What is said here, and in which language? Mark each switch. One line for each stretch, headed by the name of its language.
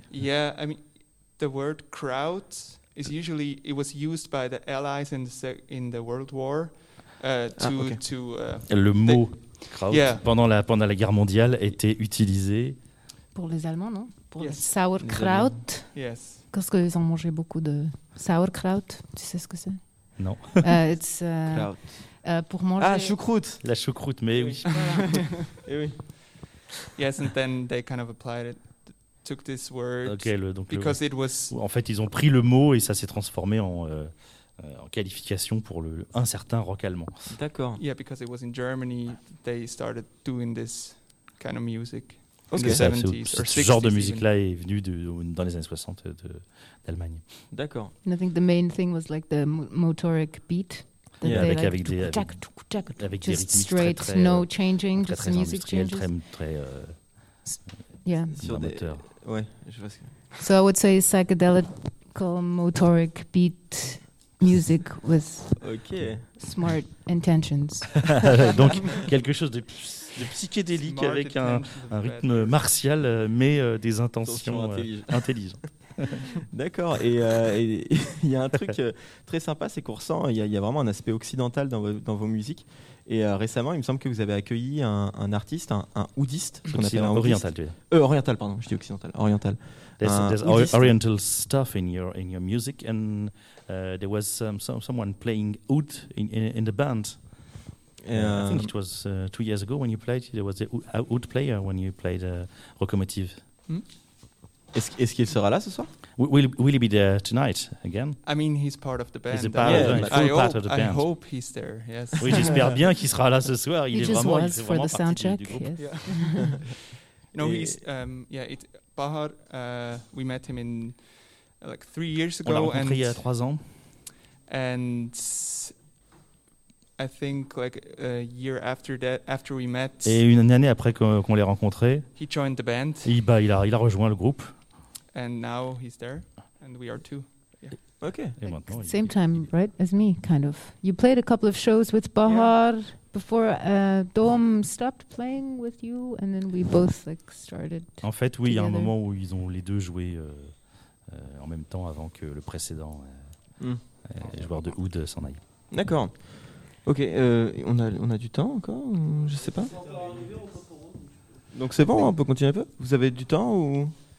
English: Yeah, I mean, the word kraut is usually it was used by the Allies in the World War.
French: Le mot kraut pendant la guerre mondiale était utilisé pour les Allemands, non? Pour le sauerkraut.
English: Yes.
French: Parce qu'ils ont mangé beaucoup de sauerkraut. Tu sais ce que c'est? Non.
English: It's kraut.
French: Pour manger. Ah, choucroute. La choucroute, mais oui. Et oui.
English: Yes, and then they kind of applied it, took this word.
French: Okay, donc
English: because
French: le...
English: it was.
French: En fait, ils ont pris le mot et ça s'est transformé en. En qualification pour un certain rock allemand. D'accord.
English: Yeah, because it was in Germany, they started doing this kind of music. Okay. In the 70s or 60s.
French: Ce genre de musique-là est venu dans les années 60 d'Allemagne. D'accord.
English: And I think the main thing was like the motoric beat.
French: Yeah, avec des rythmiques très très...
English: Just straight, no changing, just the music changes.
French: Très très...
English: Yeah.
French: Ouais, je vois ce que...
English: So I would say psychedelic motoric beat... Music with okay. smart intentions.
French: Donc quelque chose de psychédélique smart avec un rythme martial, mais des intentions intelligentes. D'accord. Et il y a un truc très sympa, c'est qu'on ressent, il y a vraiment un aspect occidental dans vos musiques. Et récemment, il me semble que vous avez accueilli un artiste, un oudiste. Oriental, tu veux dire. Oriental, pardon, je dis occidental. Oriental.
English: There's oriental stuff in your music and there was someone playing oud in the band. I think it was 2 years ago when you played. There was a oud player when you played Rocomotive. Mm-hmm.
French: Est-ce qu'il sera là ce soir?
English: Will he be there tonight again? I mean, he's part of the band. He's a part, yeah, of, the part of the band. I hope he's there. Yes.
French: Oui, j'espère bien qu'il sera là ce soir. Il
English: he
French: est
English: just
French: vraiment,
English: was
French: il est
English: for the soundcheck. Yes. Yeah. No, he's Bahar. We met him in like 3 years ago.
French: On l'a rencontré il y a 3 ans.
English: And I think like a year after that, after we met.
French: Et une année après qu'on l'ait rencontré.
English: He joined the band.
French: Il a rejoint le groupe.
English: And now he's there, and we are too. Yeah. Okay. Like same time, right, as me, kind of. You played a couple of shows with Bahar before Dom stopped playing with you, and then we both like started.
French: En fait, oui,
English: together.
French: Il y a un moment où ils ont les deux joué en même temps avant que le précédent joueur de oud s'en aille. D'accord. Ok. On a du temps encore. Je sais pas. Donc c'est bon, on peut continuer un peu. Vous avez du temps ou?